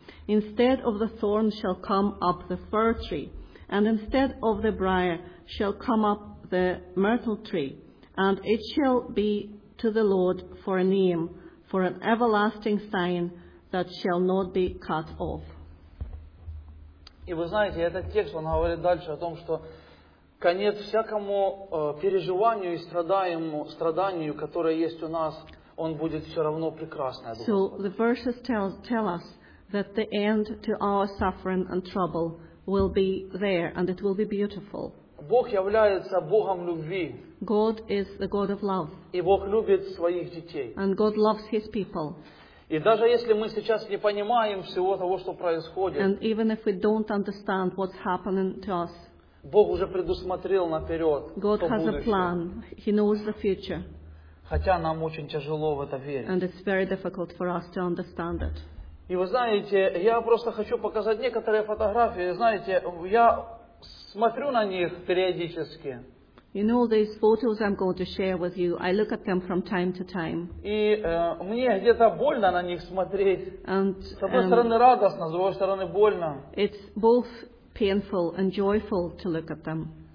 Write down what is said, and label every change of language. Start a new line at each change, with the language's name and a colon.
English: Instead of the thorn shall come up the fir tree, and instead of the briar shall come up the myrtle tree, and it shall be to the Lord for a name, for an everlasting sign that shall not be cut off.
Russian: И вы знаете, этот текст, он говорит дальше о том, что конец всякому переживанию и страданию, которое есть у нас, он будет все равно прекрасный.
English: So the verses tell us that the end to our suffering and trouble will be there, and it will be beautiful.
Russian: Бог является Богом любви.
English: God is the God of love.
Russian: И Бог любит своих детей.
English: And God loves His people.
Russian: И даже если мы сейчас не понимаем всего того, что происходит,
English: and even if we don't understand what's happening to us,
Russian: Бог уже предусмотрел наперед то будущее.
English: God has a plan. He knows the future.
Russian: Хотя нам очень тяжело в это верить.
English: And it's very difficult for us to understand it.
Russian: И вы знаете, я просто хочу показать некоторые фотографии. Знаете, я смотрю на них периодически.
English: You know these photos I'm going to share with you. I look at them from time to time.
Russian: И мне где-то больно на них смотреть.
English: And,
Russian: с одной стороны радостно, с другой стороны больно.
English: It's both painful and joyful to look at them.